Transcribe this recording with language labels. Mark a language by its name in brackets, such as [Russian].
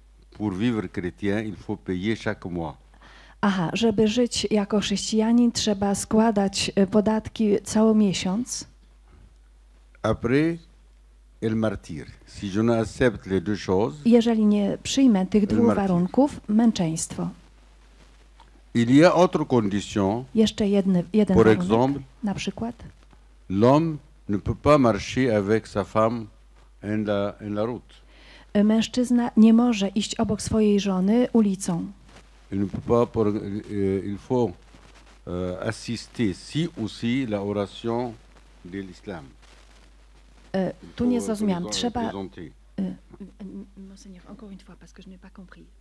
[French] Pour vivre chrétien, il faut payer chaque mois. [Polish] Aha, żeby żyć jako chrześcijanin, trzeba składać podatki cały miesiąc. [French] Après, el martyr. Si je n'accepte les deux choses. [Polish] Jeżeli nie przyjmę tych dwóch warunków, męczeństwo. [French] Il y a autre condition. [Polish] Jeszcze jeden warunek. [French] Par exemple, [Polish] na przykład. [French] L'homme ne peut pas marcher avec sa femme en la route. [Polish] Mężczyzna nie może iść obok swojej żony ulicą. [French] Il ne peut pas pour, il faut assister si aussi la oration de l'islam. [Polish] Tu nie zrozumiałam. Trzeba. [French] Monseigneur, encore une fois, parce que je n'ai pas compris.